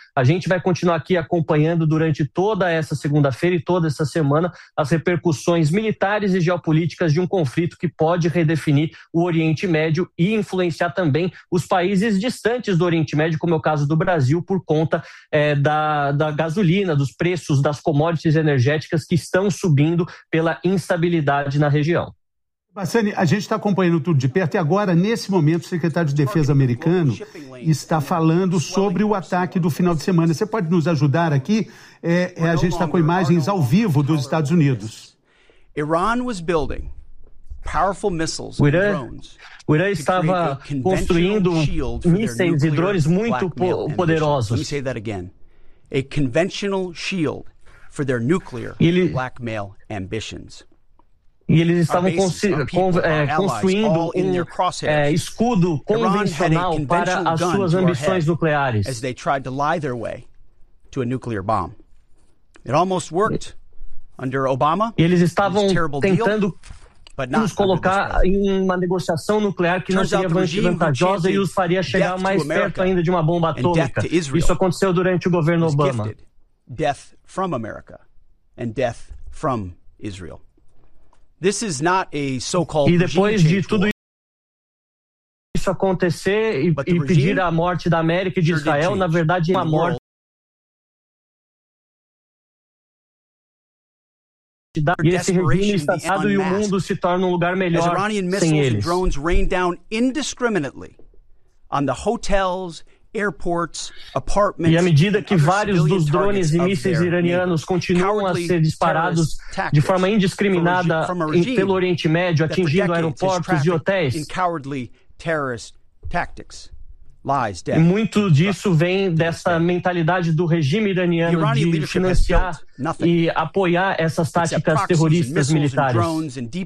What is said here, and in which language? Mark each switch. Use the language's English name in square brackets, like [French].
[Portuguese] A gente vai continuar aqui acompanhando durante toda essa segunda-feira e toda essa semana as repercussões militares e geopolíticas de um conflito que pode redefinir o Oriente Médio e influenciar também os países distantes do Oriente Médio, como é o caso do Brasil, por conta da gasolina, dos preços das commodities energéticas que estão subindo pela instabilidade na região. Bassani, a gente está acompanhando tudo de perto e agora, nesse momento, o secretário de Defesa americano está falando sobre o ataque do final de semana. Você pode nos ajudar aqui? A gente está com imagens ao vivo dos Estados Unidos. [English] Iran was building powerful missiles and drones. [Portuguese] O Irã estava construindo mísseis e drones muito poderosos. [English] Let me say that again. A conventional shield for their nuclear blackmail ambitions. [Portuguese] E eles estavam construindo um escudo convencional para as suas ambições nucleares. [English] As they tried to lie their way to a nuclear bomb. It almost worked under Obama. [Portuguese] E eles estavam tentando nos colocar em uma negociação nuclear que não seria vantajosa e os faria chegar mais perto ainda de uma bomba atômica. Isso aconteceu durante o governo Obama. [English] Death from America and death from Israel. This is not a so-called regime change. [Portuguese] E depois de tudo isso acontecer e pedir a morte da América e de Israel, na verdade é uma morte [English] as Iranian missiles and drones rain down indiscriminately on the hotels, airports, apartments. [Portuguese] E à medida que vários dos drones e mísseis iranianos continuam a ser disparados de forma indiscriminada pelo Oriente Médio, atingindo aeroportos e hotéis. [English] Cowardly terrorist tactics. Lies, [Portuguese] e muito disso vem dessa mentalidade do regime iraniano de financiar e apoiar essas táticas terroristas militares.